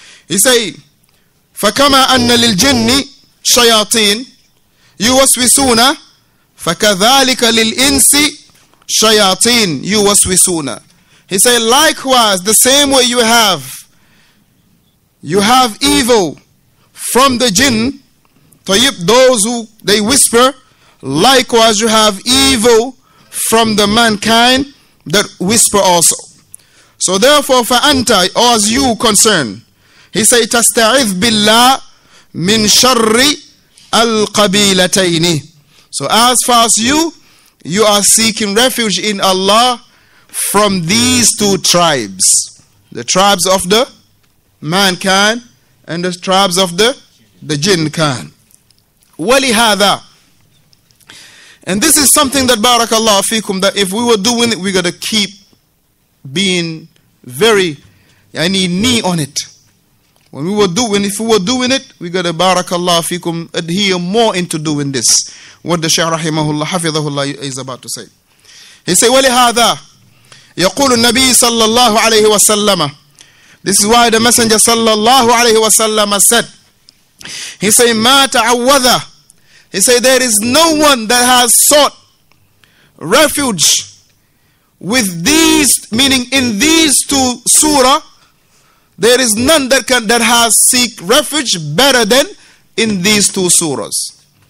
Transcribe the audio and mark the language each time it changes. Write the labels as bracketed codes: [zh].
[en] He say, [ar] فكما أن للجن شياطين يوسوسون فكذلك للإنس شياطين يوسوسون. [en] He say, likewise, the same way you have evil from the jinn, طيب, those who they whisper, likewise you have evil from the mankind that whisper also. So therefore, [ar] فأنت, [en] or as you concern, he say, [ar] تستعذ بالله من شر القبيلتين. [en] So as far as you are seeking refuge in Allah from these two tribes, the tribes of the mankind and the tribes of the jinn kind. ولهذا, and this is something that barakallahu fikum, that if we were doing it, we got to keep being very, I need knee on it. If we were doing it, we got to barakallahu fikum, adhere more into doing this. What the Shaykh rahimahullah, hafidhahullah, is about to say. He say, [ar] وَلِهَذَا يَقُولُ النَّبِي صَلَّى اللَّهُ عَلَيْهِ وَسَلَّمَ. [en] This is why the Messenger [ar] صَلَّى اللَّهُ عَلَيْهِ وَسَلَّمَ [en] said. He say, [ar] مَا تَعَوَّذَ. [en] He say, there is no one that has sought refuge with these, meaning in these two surah, there is none that has seek refuge better than in these two surahs.